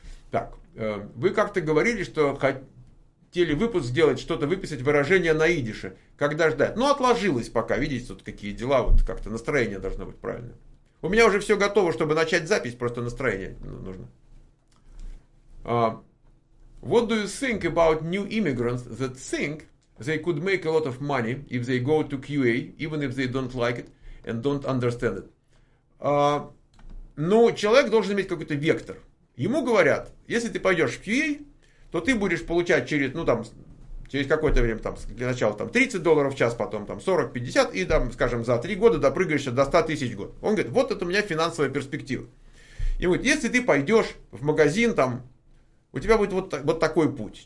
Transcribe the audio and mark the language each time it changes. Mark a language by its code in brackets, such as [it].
[ru] Так, вы как-то говорили, что хотели выпуск сделать, что-то выписать, выражение на идише. Когда ждать? Ну, отложилось пока. Видите, тут какие дела. Вот как-то настроение должно быть правильное. У меня уже все готово, чтобы начать запись. Просто настроение нужно. [en] What do you think about new immigrants that think they could make a lot of money if they go to QA, even if they don't like it and don't understand it? [ru] Ну, человек должен иметь какой-то вектор. Ему говорят, если ты пойдешь в QA, то ты будешь получать через, ну, там, через какое-то время, там, для начала там, $30 в час, потом там, 40-50, и там, скажем, за 3 года допрыгаешься до 100 тысяч в год. Он говорит, вот это у меня финансовая перспектива. И говорит, если ты пойдешь в магазин, там, у тебя будет вот такой путь.